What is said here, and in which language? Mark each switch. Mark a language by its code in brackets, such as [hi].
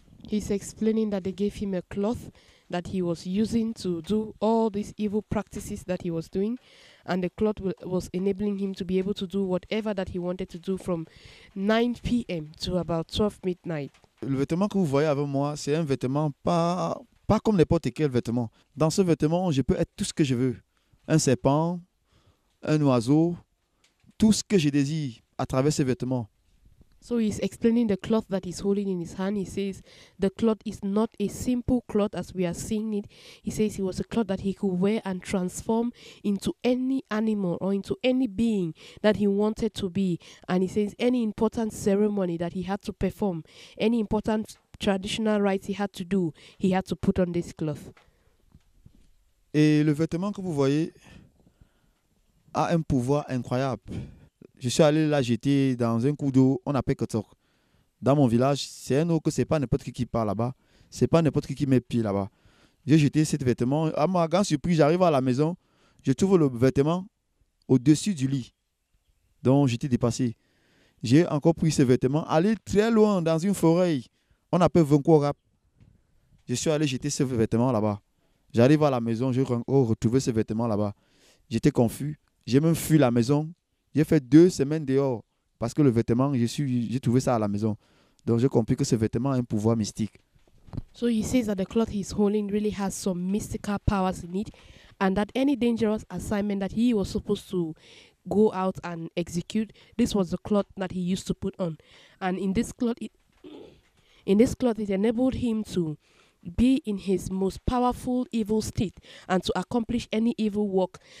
[en] He's explaining that they gave him a cloth that he was using to do all these evil practices that he was doing, and the cloth was enabling him to be able to do whatever that he wanted to do from 9 p.m. to about 12 midnight. [fr] Le vêtement que vous voyez avec moi, c'est un vêtement pas comme n'importe quel vêtement. Dans ce vêtement, je peux être tout ce que je veux. Un serpent, un oiseau, tout ce que je désire à travers ces vêtements. [en] So he's explaining the cloth that he's holding in his hand. He says the cloth is not a simple cloth as we are seeing it. He says it was a cloth that he could wear and transform into any animal or into any being that he wanted to be. And he says any important ceremony that he had to perform, any important traditional rites he had to do, he had to put on this cloth. [fr] Et le vêtement que vous voyez a un pouvoir incroyable. Je suis allé la jeter dans un cours d'eau, on appelle Kotok. Dans mon village, c'est un eau que c'est pas n'importe qui part là-bas. C'est pas n'importe qui met pied là-bas. J'ai jeté cet vêtement. À ma grande surprise, j'arrive à la maison, je trouve le vêtement au-dessus du lit. Donc, j'étais dépassé. J'ai encore pris ce vêtement, allé très loin dans une forêt. On appelle Vunkorap. Je suis allé jeter ce vêtement là-bas. J'arrive à la maison, je retrouve ce vêtement là-bas. J'étais confus. J'ai même fui la maison. J'ai fait 2 semaines dehors parce que le vêtement, j'ai trouvé ça à la maison. Donc j'ai compris que ce vêtement a un pouvoir mystique. [en] So he says that the cloth he's holding really has some mystical powers in it, and that any dangerous assignment that he was supposed to go out and execute, this was the cloth that he used to put on. And in this cloth it enabled him to be in his most powerful evil state and to accomplish any evil work.